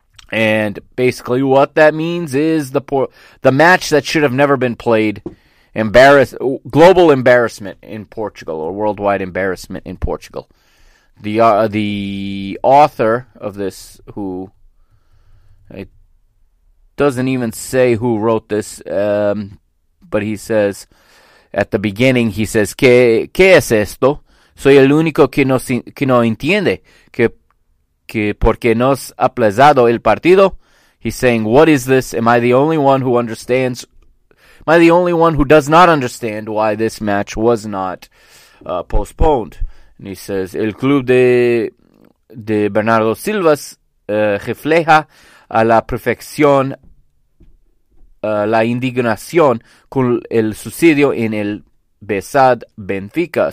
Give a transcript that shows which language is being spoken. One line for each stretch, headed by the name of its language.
English: And basically what that means is the match that should have never been played, global embarrassment in Portugal, or worldwide embarrassment in Portugal. The author of this, who, it doesn't even say who wrote this, but he says, at the beginning, he says,
Spanish: ¿Qué es esto? Soy el único que no entiende que porque nos ha aplazado el partido.
English: He's saying, what is this? Am I the only one who understands? Am I the only one who does not understand why this match was not postponed? And he says,
Spanish: el club de Bernardo Silva refleja a la perfección la indignación con el suicidio en el Besad Benfica.